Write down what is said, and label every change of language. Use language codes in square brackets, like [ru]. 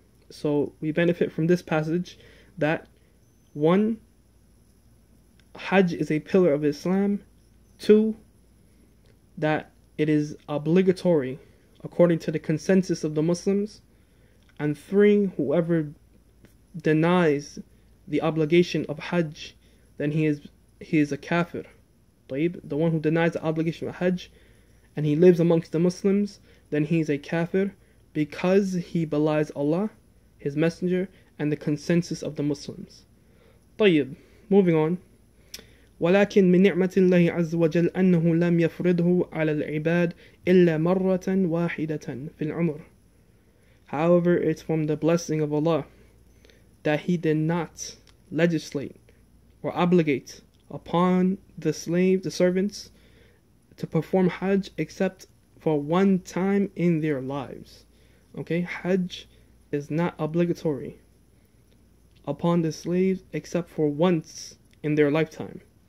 [en] So we benefit from this passage that, one, Hajj is a pillar of Islam, two, that it is obligatory according to the consensus of the Muslims, and three, whoever denies the obligation of Hajj, then he is a kafir. The one who denies the obligation of Hajj and he lives amongst the Muslims, then he is a kafir, because he belies Allah, His Messenger, and the consensus of the Muslims. [ar] طيب, [en] moving on. [ar] ولكن من نعمة الله عز وجل أنه لم يفرضه على العباد إلا مرة واحدة في العمر. [en] However, it's from the blessing of Allah that He did not legislate or obligate upon the slave, the servants, to perform Hajj except for one time in their lives. Okay, Hajj is not obligatory upon the slaves except for once in their lifetime.